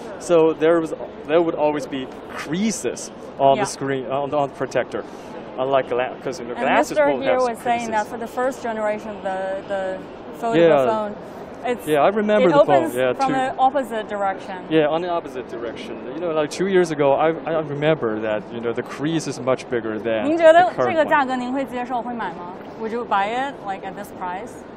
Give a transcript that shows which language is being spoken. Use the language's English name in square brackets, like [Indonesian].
[English] So there would always be creases on the screen, on the protector. Unlike glass, because the glasses won't have creases. And Mr. here was saying that for the first generation of the foldable phone, I remember it opens from the opposite direction. Yeah, on the opposite direction. You know, like 2 years ago, I remember that, you know, the crease is much bigger than the current one. [Chinese] 您觉得这个价格您会接受会买吗? [English] Would you buy it, like, at this price?